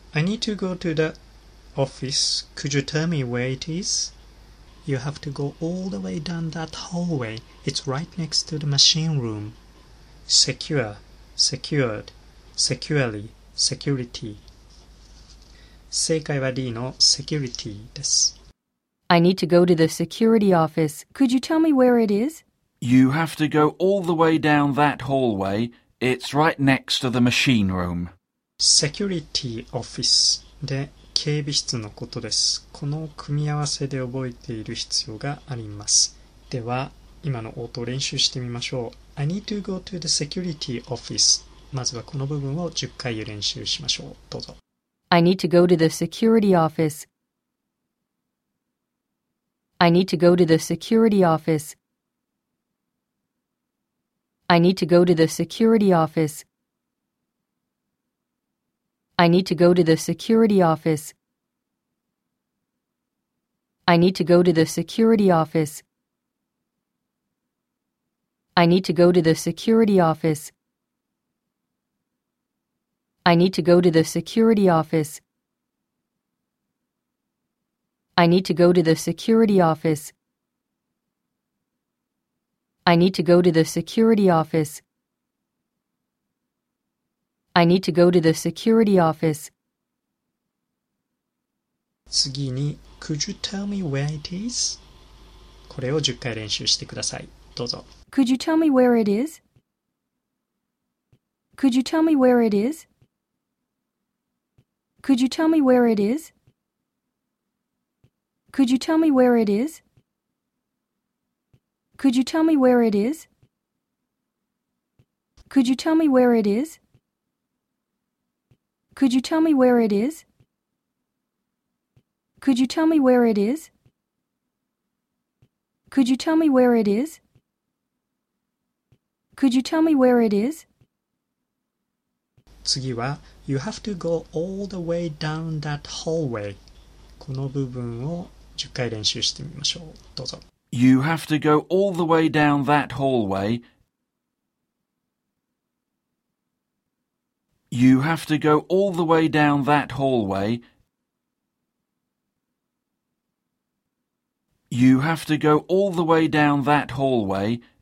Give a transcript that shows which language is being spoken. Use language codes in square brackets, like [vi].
[en] I need to go to the office. Could you tell me where it is? You have to go all the way down that hallway. It's right next to the machine room. Secure, secured, securely, security. [ja] 正解は D の security です。 [en] I need to go to the security office. Could you tell me where it is? You have to go all the way down that hallway. It's right next to the machine room. [ja] Security office で警備室のことです。この組み合わせで覚えている必要があります。では、今の音を練習してみましょう。 [en] I need to go to the security office. [ja] まずはこの部分を10回練習しましょう。どうぞ。 [en] I need to go to the security office. I need to go to the security office. I need to go to the security office. I need to go to the security office. I need to go to the security office. I need to go to the security office. I need to go to the security office. I need to go to the security office. I need to go to the security office. I need to go to the security office. [ja] 次に、 [en] Could you tell me where it is? [ja] これを10回練習してください。どうぞ。 [en] Could you tell me where it is? Could you tell me where it is? Could you tell me where it is? Could you tell me where it is? Could you tell me where it is? Could you tell me where it is? Could you tell me where it is? Could you tell me where it is? Could you tell me where it is? Could you tell me where it is? [ja] 次は [en] You have to go all the way down that hallway. [ja] この部分を10回練習してみましょう。どうぞ。 [en] You have to go all the way down that hallway. You have to go all the way down that hallway. You have to go all the way down that hallway.